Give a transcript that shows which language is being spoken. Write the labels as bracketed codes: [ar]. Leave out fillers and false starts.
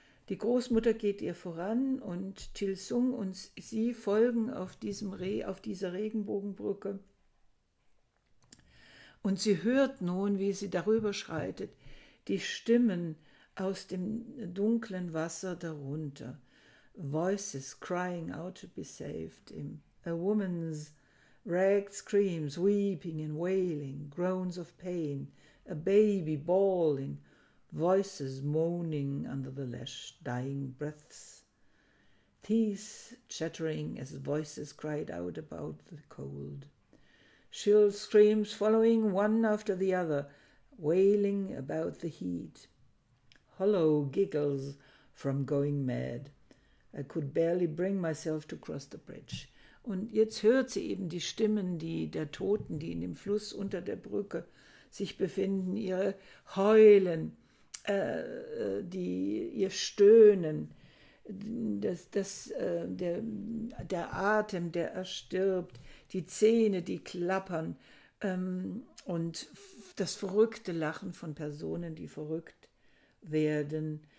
[de] Die Großmutter geht ihr voran und Tilsung und sie folgen auf dieser Regenbogenbrücke. Und sie hört nun, wie sie darüber schreitet, die Stimmen aus dem dunklen Wasser darunter. [en] Voices crying out to be saved. A woman's ragged screams, weeping and wailing, groans of pain. A baby bawling, voices moaning under the lash, dying breaths. Teeth chattering as voices cried out about the cold. Shrill screams following one after the other, wailing about the heat. Hollow giggles from going mad. I could barely bring myself to cross the bridge. [de] Und jetzt hört sie eben die Stimmen der Toten, die in dem Fluss unter der Brücke sich befinden, ihre Heulen, ihr Stöhnen, der Atem, der erstirbt, die Zähne, die klappern, und das verrückte Lachen von Personen, die verrückt werden.